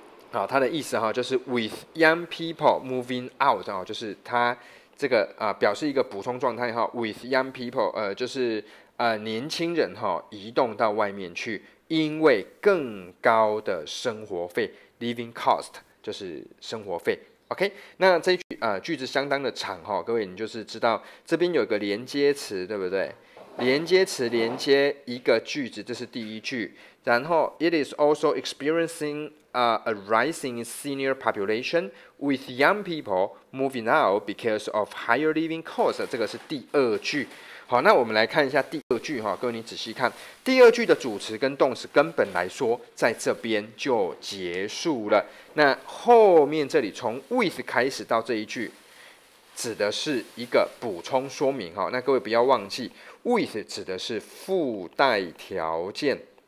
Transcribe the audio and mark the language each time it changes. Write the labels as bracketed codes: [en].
[zh] 好，他的意思哈，就是 [en] with young people moving out [zh] 哈，就是他这个表示一个补充状态哈， [en] with young people [zh] 就是年轻人哈移动到外面去，因为更高的生活费 [en] living cost [zh] 就是生活费。 OK，那这句句子相当的长哈，各位你就是知道这边有个连接词，对不对？连接词连接一个句子，这是第一句。 [en] 然后，it is also experiencing a rising senior population with young people moving out because of higher living costs。 [zh] 这个是第二句。好，那我们来看一下第二句哈，各位你仔细看，第二句的主词跟动词根本来说在这边就结束了。那后面这里从 with 开始到这一句。指的是一个补充说明哈，那各位不要忘记，with 指的是附带条件。